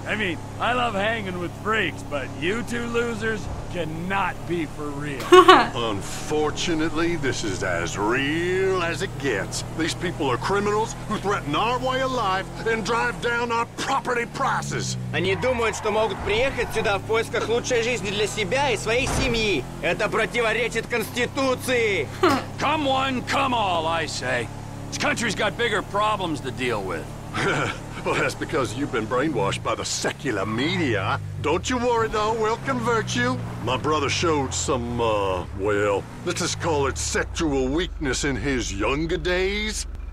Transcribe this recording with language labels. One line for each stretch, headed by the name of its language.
English: I mean, I love hanging with freaks, but you two losers cannot be for real. Unfortunately, this is as real as it gets. These people are criminals who threaten our way of life and drive down our property prices.
Russian: Они думают, что могут приехать сюда в поисках лучшей жизни для себя и своей семьи. Это противоречит Конституции.
English: Come one, come all, I say. This country's got bigger problems to deal with. Well, that's because you've been brainwashed by the secular media. Don't you worry, though. We'll convert you. My brother showed some, well, let's just call it sexual weakness in his younger days.